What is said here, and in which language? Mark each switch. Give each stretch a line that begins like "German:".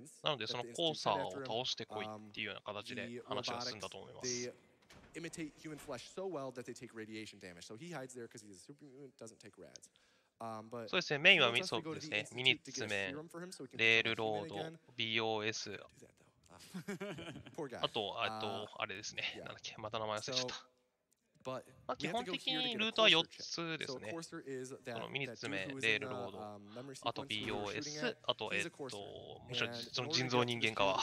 Japanese: なので、そのコーサーを倒してこいっていうような形で話が進んだと思います。
English: Imitate human flesh so well that they take radiation damage. So he hides there because he's a superhuman, doesn't take rads. But
Japanese: そうですね、メインはミソですね。ミニッツメン、レールロード、BOS。あと、あれですね。なんだっけ、また名前忘れちゃった。基本的にルートは4つですね。このミニッツメン、レールロード、あと BOS、あと、むしろその人造人間かは。